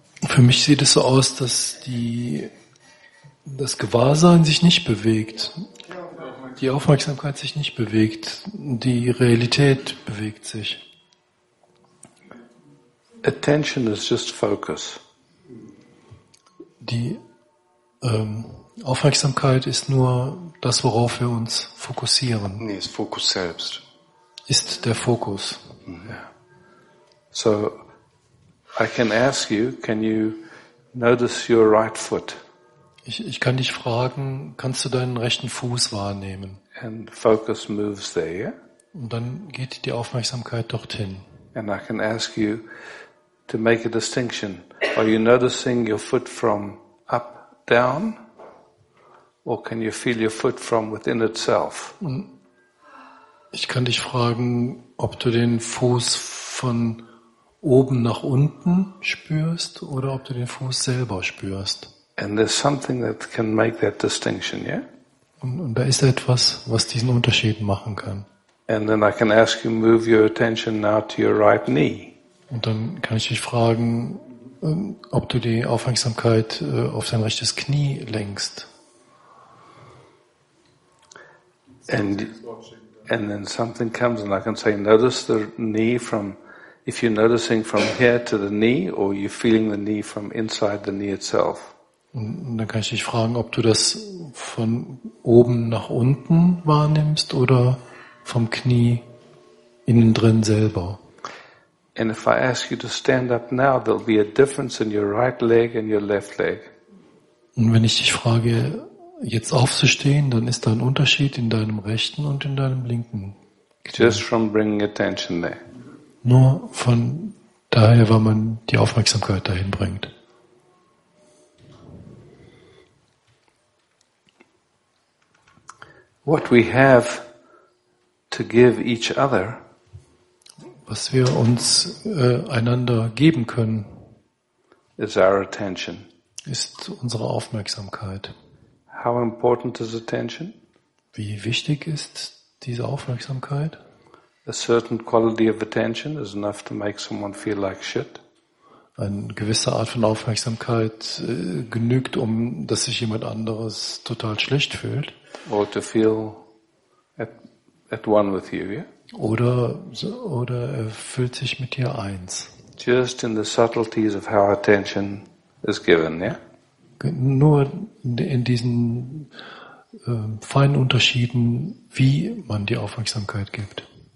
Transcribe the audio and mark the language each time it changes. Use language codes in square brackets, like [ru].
[de] Für mich sieht es so aus, dass das Gewahrsein sich nicht bewegt, die Aufmerksamkeit sich nicht bewegt, die Realität bewegt sich. [en] Attention is just focus. [de] Die Aufmerksamkeit ist nur das, worauf wir uns fokussieren. Nee, ist Fokus selbst. Ist der Fokus. [en] Yeah. So, I can ask you, can you notice your right foot? [de] Ich kann dich fragen, kannst du deinen rechten Fuß wahrnehmen? [en] And focus moves there, yeah? [de] Und dann geht die Aufmerksamkeit dorthin. [en] And I can ask you to make a distinction. Are you noticing your foot from up, down? Or can you feel your foot from within itself? [de] Und ich kann dich fragen, ob du den Fuß von oben nach unten spürst oder ob du den Fuß selber spürst. [en] And there's something that can make that distinction, yeah? [de] Und da ist etwas, was diesen Unterschied machen kann. [en] And then I can ask you move your attention now to your right knee. [de] Und dann kann ich dich fragen, ob du die Aufmerksamkeit auf dein rechtes Knie lenkst. [en] And then something comes and I can say notice the knee from if you're noticing from here to the knee or you're feeling the knee from inside the knee itself. [de] Und dann kann ich dich fragen, ob du das von oben nach unten wahrnimmst oder vom Knie innen drin selber. [en] And if I ask you to stand up now, there'll be a difference in your right leg and your left leg. [de] Und wenn ich dich frage, jetzt aufzustehen, dann ist da ein Unterschied in deinem rechten und in deinem linken Knie. [en] Just from bringing attention there. [de] Nur von daher, weil man die Aufmerksamkeit dahin bringt. [en] What we have to give each other, [de] was wir uns einander geben können, [en] is our attention. [de] Ist unsere Aufmerksamkeit. [en] How important is attention? [de] Wie wichtig ist diese Aufmerksamkeit? [en] A certain quality of attention is enough to make someone feel like shit. [de] Eine gewisse Art von Aufmerksamkeit genügt, um dass sich jemand anderes total schlecht fühlt. [en] Or to feel at one with you, yeah? [de] Oder er fühlt sich mit dir eins. [en] Just in the subtleties of how attention is given, yeah? [de] Nur in diesen feinen Unterschieden, wie man die Aufmerksamkeit gibt.